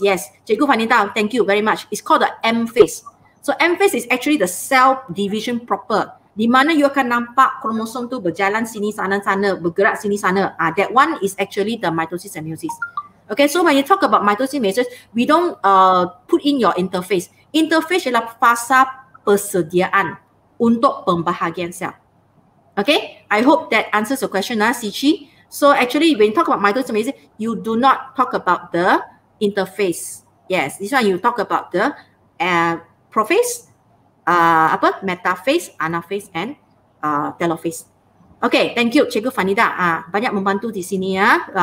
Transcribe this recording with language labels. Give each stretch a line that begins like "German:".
English: Yes, Cikgu Fanita, thank you very much. It's called the M phase. So M phase is actually the cell division proper.
Malay: Di mana you akan nampak kromosom tu berjalan sini sana sana, bergerak sini sana.
English: That one is actually the mitosis and meiosis. Okay, so when you talk about mitosis and meiosis, we don't put in your interphase.
Malay: Interphase ialah fasa persediaan untuk pembahagian sel.
English: Okay, I hope that answers your question, Cici. So actually, when you talk about mitosis and meiosis, you do not talk about the interphase. Yes, this one you talk about the prophase, metaphase, anaphase, and telophase. Okay, thank you
Malay: Cikgu Fanida. Banyak membantu di sini ya.